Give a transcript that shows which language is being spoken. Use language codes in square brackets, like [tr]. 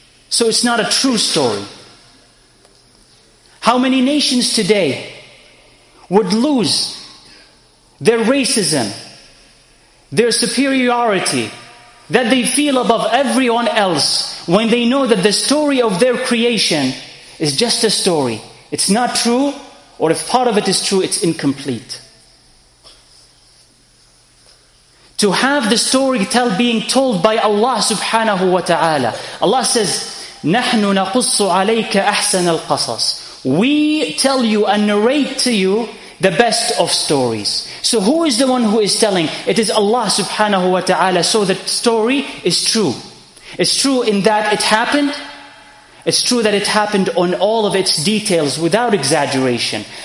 [en] So it's not a true story. How many nations today would lose their racism, their superiority, that they feel above everyone else when they know that the story of their creation is just a story. It's not true, or if part of it is true, it's incomplete. To have the story tell being told by Allah subhanahu wa ta'ala. Allah says, [ar] نَحْنُ نَقُصُّ عَلَيْكَ أَحْسَنَ الْقَصَصِ. [en] We tell you and narrate to you the best of stories. So who is the one who is telling? It is Allah subhanahu wa ta'ala. So the story is true. It's true in that it happened. It's true that it happened on all of its details without exaggeration.